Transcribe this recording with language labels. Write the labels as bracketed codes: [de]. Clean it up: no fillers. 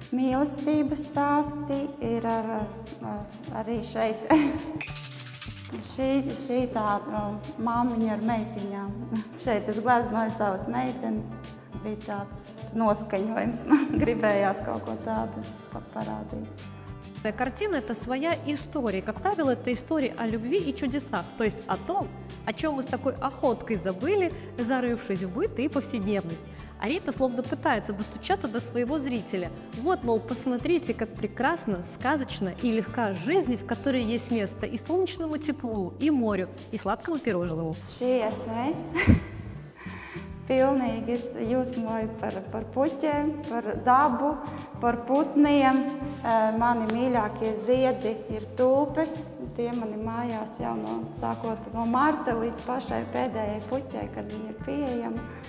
[lv] Mīlestības stāsti ir arī šeit. šī tā māmiņa ar meitiņām. Šeit es gleznoju savas meitenes. Bija tāds noskaņojums. Gribējās kaut ko tādu parādīt. [ru] Картина – это своя история. Как правило, это история о любви и чудесах, то есть о том, о чем мы с такой охоткой забыли, зарывшись в быт и повседневность. А Рита словно пытается достучаться до своего зрителя. Вот, мол, посмотрите, как прекрасно, сказочно и легка жизнь, в которой есть место и солнечному теплу, и морю, и сладкому пирожному. Чудес, полный юсмой пар путе, пар дабу, пар путнием. [lv] Mani mīļākie ziedi ir tulpes, tie mani mājās jau no, sākot no marta līdz pašai pēdējai puķai, kad viņi ir pieejami.